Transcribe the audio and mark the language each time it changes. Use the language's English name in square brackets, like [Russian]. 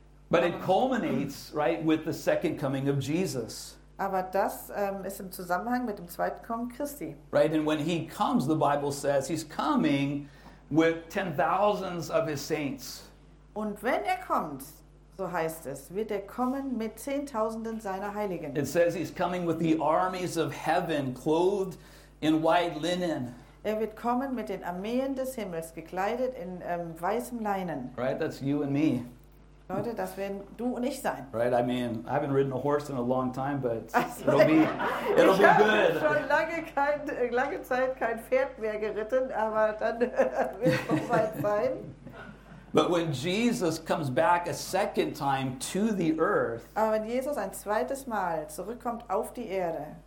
[English] But it culminates, right, with the second coming of Jesus. [German] Aber das ist im Zusammenhang mit dem zweiten Kommen Christi. [English] Right, and when he comes, the Bible says, he's coming with 10,000s of his saints. [German] Und wenn er kommt, so heißt es, wird er kommen mit Zehntausenden seiner Heiligen. [English] It says he's coming with the armies of heaven, clothed in white linen. [German] Er wird kommen mit den Armeen des Himmels, gekleidet in weißem Leinen. [English] Right, that's you and me. [German] Leute, das werden du und ich sein. [English] Right, I mean, I haven't ridden a horse in a long time, but it'll be good. [German] Ich habe schon lange Zeit kein Pferd mehr geritten, aber dann wird es bald sein. [English] But when Jesus comes back a second time to the earth, [German] aber wenn Jesus ein zweites Mal zurückkommt auf die Erde,